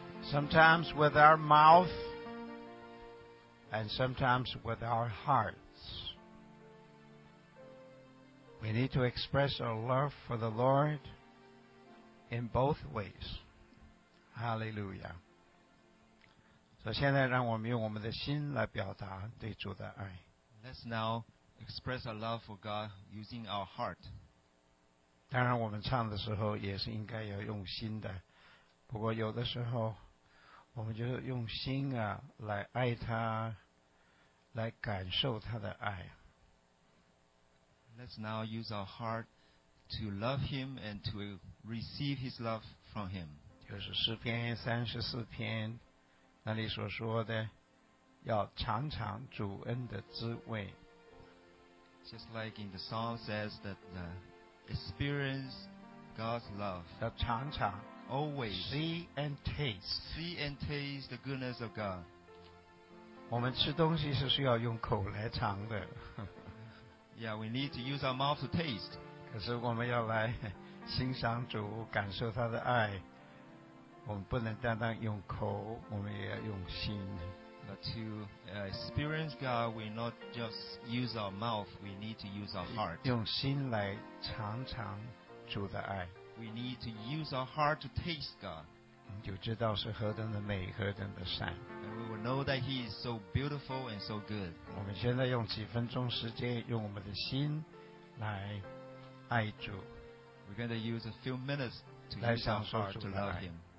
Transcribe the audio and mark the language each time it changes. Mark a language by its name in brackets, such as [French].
[English] Sometimes with our mouth and sometimes with our hearts. We need to express our love for the Lord in both ways. Hallelujah. [Chinese] 所以现在让我们用我们的心来表达对主的爱。 [English] Let's now express our love for God using our heart. [Chinese] 当然我们唱的时候也是应该要用心的，不过有的时候我们就是用心啊来爱他，来感受他的爱。 [English] Let's now use our heart to love him and to receive his love from him. [Chinese] 就是诗篇三十四篇那里所说的要尝尝主恩的滋味。 [English] Just like in the song says that the experience God's love. [Chinese] 要尝尝。 [English] Always. See and taste. See and taste the goodness of God. [Chinese] 我们吃东西是需要用口来尝的。 [English] Yeah, we need to use our mouth to taste. [Chinese] 可是我们要来欣赏主，感受他的爱。我们不能单单用口，我们也要用心。 [English] But to experience God, we not just use our mouth, we need to use our heart. [Chinese] 用心来尝尝主的爱。 [English] We need to use our heart to taste God. [Chinese] 你就知道是何等的美，何等的善。 [English] And we will know that He is so beautiful and so good. [Chinese] 我们现在用几分钟时间，用我们的心来爱主。 [English] We're going to use a few minutes to use our heart to love Him.